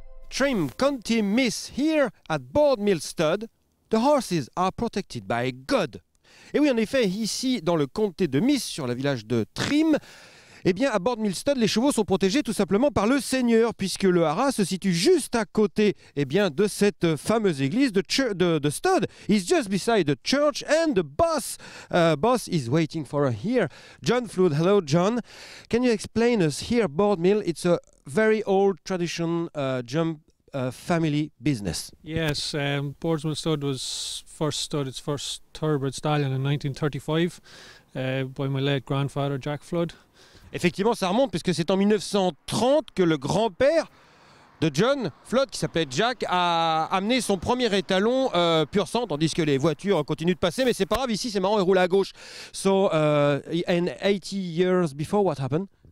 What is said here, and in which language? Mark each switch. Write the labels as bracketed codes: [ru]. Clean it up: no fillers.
[en] trim county miss here at Bord Mill Stud, the horses are protected by God. [fr] Et oui, en effet, ici, dans le comté de Meath, sur le village de Trim, eh bien, à Bord Mill Stud, les chevaux sont protégés tout simplement par le Seigneur, puisque le haras se situe juste à côté, eh bien, de cette fameuse église de Stud. [en] It's just beside the church, and the boss, boss is waiting for us here. John Flood, hello, John. Can you explain us here, Bord Mill? It's a very old tradition, jump. Family business. Yes, Boardsmill Stud was first stud, its first thoroughbred stallion in 1935 by my late grandfather Jack Flood. [fr] Effectivement, ça remonte puisque c'est en 1930 que le grand-père de John Flood, qui s'appelait Jack, a amené son premier étalon pur sang, tandis que les voitures continuent de passer, mais c'est pas grave, ici c'est marrant, il roule à gauche. [en] So, and 80 years before, what happened?